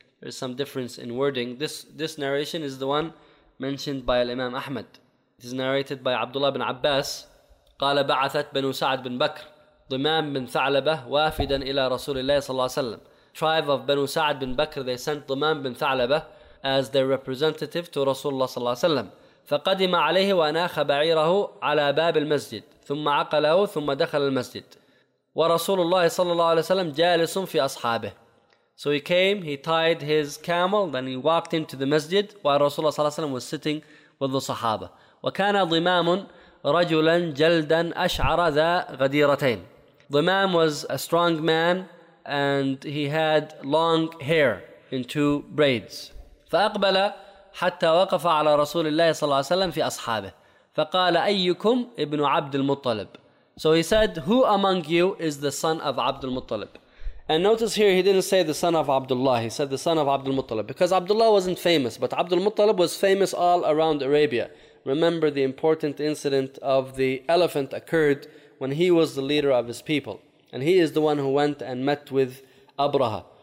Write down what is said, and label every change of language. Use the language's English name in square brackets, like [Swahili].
[English] There's some difference in wording. This narration is the one mentioned by Imam Ahmad. It is narrated by Abdullah bin Abbas. [Arabic] قَالَ بَعَثَتْ بَنُ سَعَدْ بِنْ بَكْرٍ ضُمَامْ بِنْ ثَعْلَبَةِ وَافِدًا إِلَى رَسُولِ اللَّهِ صَلَّى اللَّهُ عَلَيْهِ وَسَلَّمْ. [English] Tribe of Banu Sa'ad bin Bakr, they sent Dhumam bin Tha'labah as their representative to Rasulullah sallallahu alaihi wasallam. [Arabic] فقدم عليه وأناخ بعيره على باب المسجد ثم عقله ثم دخل المسجد ورسول الله صلى الله عليه وسلم جالس في أصحابه. [English] So he came, he tied his camel, then he walked into the masjid while Rasulullah صلى الله عليه وسلم was sitting with the Sahaba. [Arabic] وكان ضمام رجلا جلدا أشعر ذا غديرتين. [English] Dhumam was a strong man and he had long hair in two braids. [Arabic] فأقبل حتى وقف على رسول الله صلى الله عليه وسلم في أصحابه فقال أيكم ابن عبد المطلب. [English] So he said, who among you is the son of عبد المطلب? And notice here, he didn't say the son of Abdullah, he said the son of عبد المطلب, because Abdullah wasn't famous, but عبد المطلب was famous all around Arabia. Remember, the important incident of the elephant occurred when he was the leader of his people, and he is the one who went and met with Abraha.